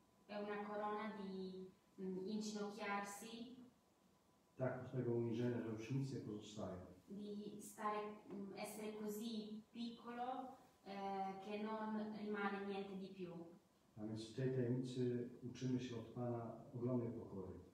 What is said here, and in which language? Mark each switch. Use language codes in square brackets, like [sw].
[it] È una corona di inginocchiarsi. [pl] Tak, tego uniżenia, że już nic nie pozostaje. [it] Di stare, essere così piccolo che non rimane niente di più. [pl] A więc w tej tajemnicy uczymy się od Pana ogromnej pokory.